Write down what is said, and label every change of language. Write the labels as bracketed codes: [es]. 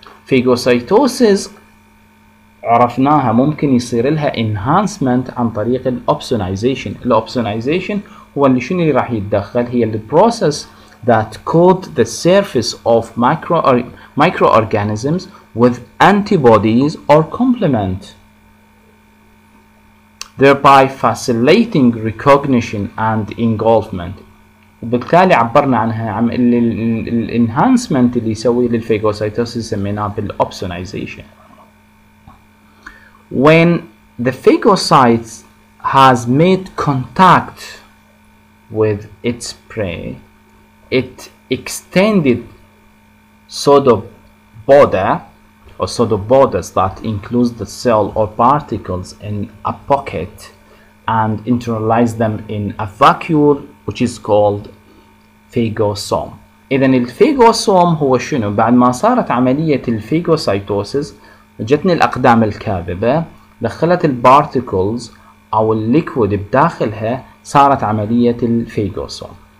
[ar] Phagocytosis عرفناها ممكن يصير لها enhancement عن طريق الopsonization. الopsonization هو اللي شنو اللي راح يتدخل هي [en] the process that coat the surface of microorganisms with antibodies or complement, thereby facilitating recognition and engulfment. [ar] وبالتالي عبرنا عنها عم الenhancement اللي يسوي للphagocytosis سميناه بالopsonization. [en] When the phagocyte has made contact with its prey, it extended pseudobody or pseudobodies that includes the cell or particles in a pocket and internalize them in a vacuole, which is called phagosome. [ar] إذن الphagosome هو شنو؟ بعد ما صارت عملية الphagocytosis جتني الأقدام الكاذبة دخلت البارتيكلز أو الليكويد بداخلها صارت عملية الفيجوسوم.